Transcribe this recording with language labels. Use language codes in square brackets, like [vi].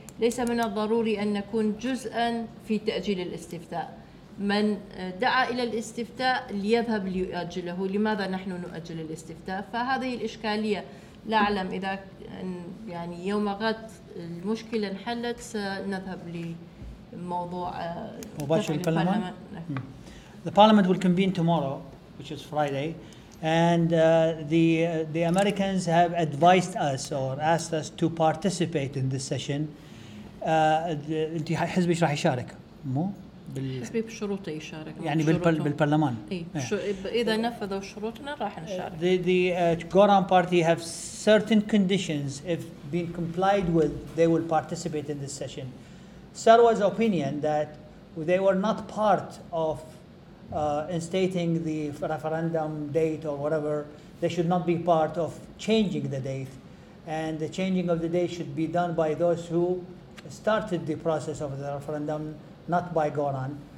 [ar] ليس من الضروري أن نكون جزءاً في تأجيل الاستفتاء. من دعا إلى الاستفتاء ليذهب ليؤجله، لماذا نحن نؤجل الاستفتاء؟ فهذه الإشكالية لا أعلم إذا يعني يوم غد المشكلة انحلت سنذهب لموضوع مباشر البرلمان. [en] The parliament will convene tomorrow, which is Friday, and the Americans have advised us or asked us to participate in this session. [ar] أنت حزب إيش راح يشارك؟ مو؟ حزب بشروطه يشارك. يعني بالبرلمان. إذا نفذوا شروطنا راح نشارك. [en] The Goran party have certain conditions. If being complied with, they will participate in this session. Sarwa's opinion that they were not part of instating the referendum date or whatever, they should not be part of changing the date, and the changing of the date should be done by those who started the process of the referendum, not by Goran.